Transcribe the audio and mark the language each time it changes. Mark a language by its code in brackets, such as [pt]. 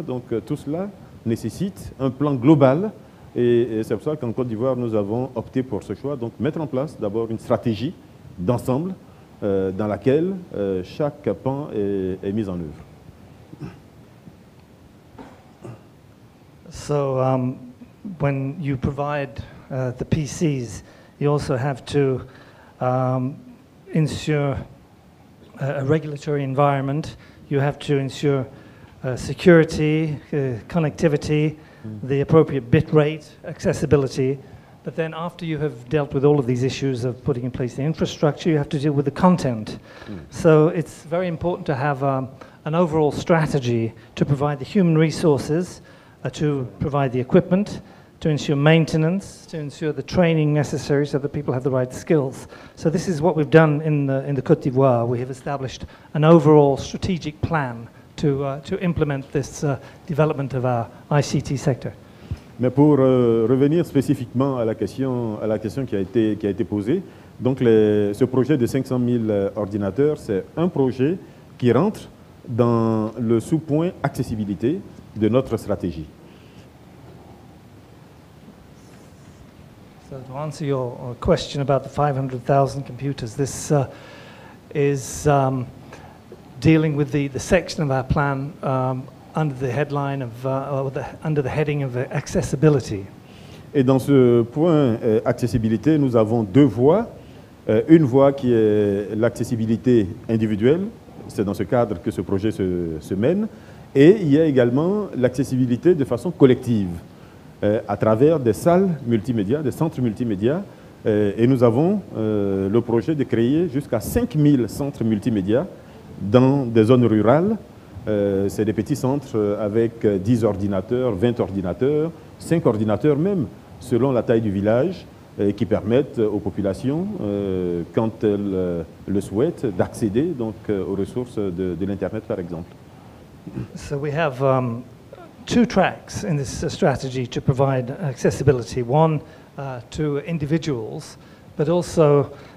[fr] Donc, tout cela nécessite un plan global. Et c'est pour ça qu'en Côte d'Ivoire, nous avons opté pour ce choix. Donc, mettre en place d'abord une stratégie d'ensemble dans laquelle chaque pan est mis en œuvre. [en] So when you provide the PCs, you also have to ensure a regulatory environment. You have to ensure security, connectivity, the appropriate bit rate, accessibility. But then after you have dealt with all of these issues of putting in place the infrastructure, you have to deal with the content. Mm. So it's very important to have an overall strategy to provide the human resources, to provide the equipment, to ensure maintenance, to ensure the training necessary so that people have the right skills. So this is what we've done in the Côte d'Ivoire. We have established an overall strategic plan to implement this development of our ICT sector. [fr] Mais pour revenir spécifiquement à la question qui a été posée, donc ce projet de 500 000 ordinateurs, c'est un projet qui rentre dans le sous-point accessibilité de notre stratégie. [en] So to answer your question about the 500,000 computers, this is dealing with the section of our plan under the headline of under the heading of accessibility. [fr] Et dans ce point accessibilité, nous avons deux voies. Une voie qui est l'accessibilité individuelle, c'est dans ce cadre que ce projet se mène, et il y a également l'accessibilité de façon collective à travers des salles multimédia, des centres multimédia, et nous avons le projet de créer jusqu'à 5000 centres multimédia dans des zones rurales. C'est des petits centres avec 10 ordinateurs, 20 ordinateurs, 5 ordinateurs même, selon la taille du village, qui permettent aux populations, quand elles le souhaitent, d'accéder donc aux ressources de l'Internet, par exemple. [en] So we have two tracks in this strategy to provide accessibility. One to individuals, but also